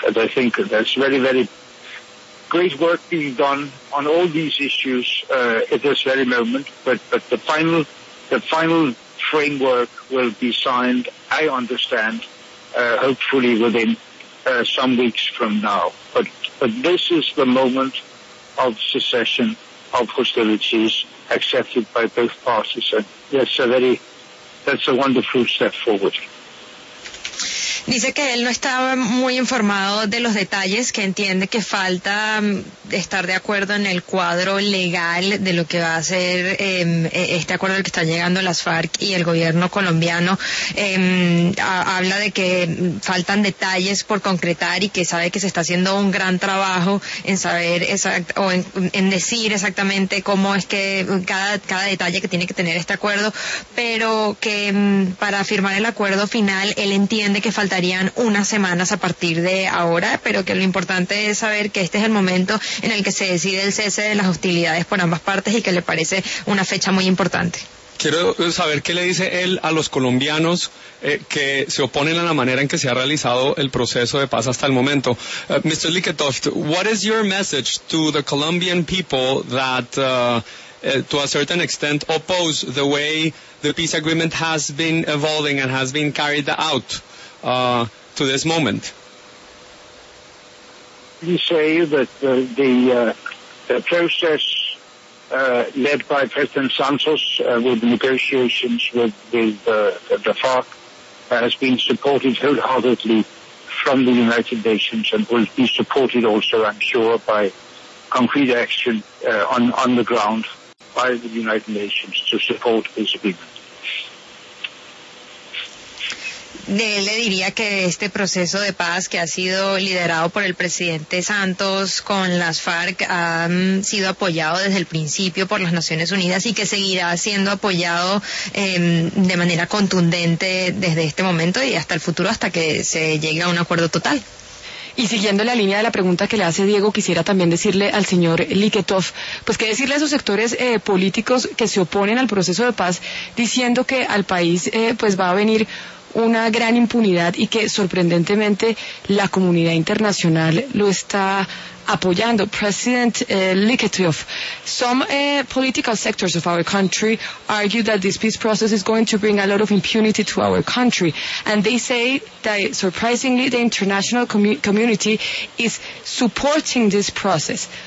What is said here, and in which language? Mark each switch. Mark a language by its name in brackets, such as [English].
[English] And I think that's very, very great work being done on all these issues at this very moment, but the final framework will be signed, I understand, hopefully within some weeks from now. But this is the moment of secession of hostilities accepted by both parties. And that's a very, that's a wonderful step forward. [Spanish] Dice que él no estaba muy informado de los detalles, que entiende que falta estar de acuerdo en el cuadro legal de lo que va a ser este acuerdo al que están llegando las FARC y el gobierno colombiano. Habla de que faltan detalles por concretar y que sabe que se está haciendo un gran trabajo en saber decir exactamente cómo es que cada detalle que tiene que tener este acuerdo, pero que para firmar el acuerdo final él entiende que falta unas semanas a partir de ahora, pero que lo importante es saber que este es el momento en el que se decide el cese de las hostilidades por ambas partes y que le parece una fecha muy importante. Quiero saber qué le dice él a los colombianos que se oponen a la manera en que se ha realizado el proceso de paz hasta el momento. [English] Mr. Liketoft, what is your message to the Colombian people that to a certain extent oppose the way the peace agreement has been evolving and has been carried out to this moment? You say that the process led by President Santos with negotiations with the FARC has been supported wholeheartedly from the United Nations and will be supported also, I'm sure, by concrete action on the ground by the United Nations to support this agreement. [Spanish] Él le diría que este proceso de paz que ha sido liderado por el presidente Santos con las FARC ha sido apoyado desde el principio por las Naciones Unidas y que seguirá siendo apoyado de manera contundente desde este momento y hasta el futuro, hasta que se llegue a un acuerdo total. Y siguiendo la línea de la pregunta que le hace Diego, quisiera también decirle al señor Liketoff, pues qué decirle a esos sectores políticos que se oponen al proceso de paz, diciendo que al país pues va a venir una gran impunidad y que sorprendentemente la comunidad internacional lo está apoyando. [English] President Liketoff, some political sectors of our country argue that this peace process is going to bring a lot of impunity to our country, and they say that surprisingly the international community is supporting this process.